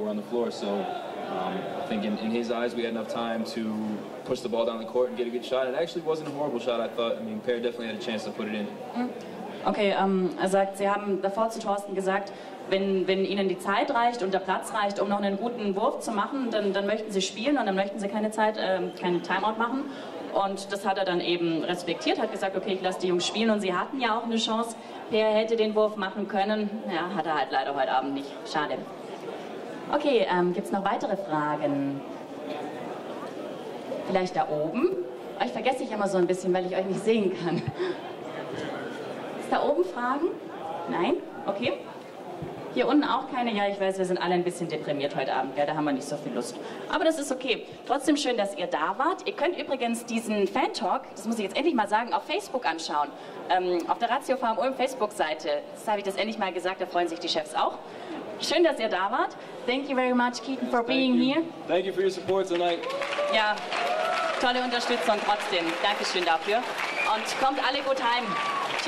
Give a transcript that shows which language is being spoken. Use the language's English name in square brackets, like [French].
[English] We're on the floor, so I think in his eyes, we had enough time to push the ball down the court and get a good shot. It actually wasn't a horrible shot, I thought. I mean, Pear definitely had a chance to put it in. [German] Okay, er sagt, Sie haben davor zu Thorsten gesagt, wenn Ihnen die Zeit reicht und der Platz reicht, um noch einen guten Wurf zu machen, dann möchten Sie spielen und dann möchten Sie keine Zeit, keine Timeout machen. Und das hat er dann eben respektiert, hat gesagt, okay, ich lasse die Jungs spielen und sie hatten ja auch eine Chance. Pear hätte den Wurf machen können, ja, hat er halt leider heute Abend nicht. Schade. Okay, gibt es noch weitere Fragen? Vielleicht da oben? Euch vergesse ich immer so ein bisschen, weil ich euch nicht sehen kann. Ist da oben Fragen? Nein? Okay. Hier unten auch keine? Ja, ich weiß, wir sind alle ein bisschen deprimiert heute Abend, gell? Da haben wir nicht so viel Lust. Aber das ist okay. Trotzdem schön, dass ihr da wart. Ihr könnt übrigens diesen Fan-Talk, das muss ich jetzt endlich mal sagen, auf Facebook anschauen. Auf der Ratiopharm Ulm Facebook-Seite. Das habe ich das endlich mal gesagt, da freuen sich die Chefs auch. Schön, dass ihr da wart. [English] Thank you very much, Keaton, for being here. Thank you for your support tonight. [German] Ja, tolle Unterstützung trotzdem. Dankeschön dafür. Und kommt alle gut heim.